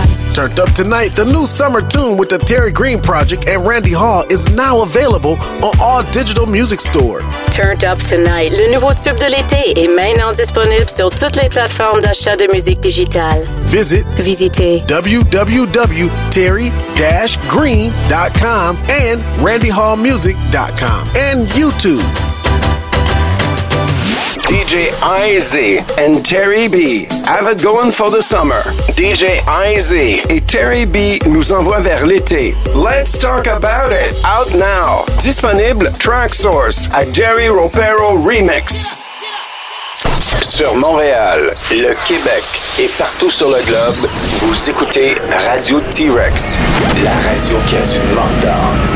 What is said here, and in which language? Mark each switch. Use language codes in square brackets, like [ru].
[en] turned up tonight, the new summer tune with the Terry Green Project and Randy Hall is now available on all digital music stores. [fr] Turned up tonight, le nouveau tube de l'été est maintenant disponible sur toutes les plateformes d'achat de musique digitale. Visitez www.terry-green.com and randyhallmusic.com and YouTube. [en] DJ IZ and Terry B have it going for the summer. [fr] DJ IZ et Terry B nous envoient vers l'été. [en] Let's talk about it. Out now. [fr] Disponible [en] Track Source à Jerry Ropero Remix. [fr] Sur Montréal, le Québec et partout sur le globe, vous écoutez Radio T-Rex, la radio qui a du mordant.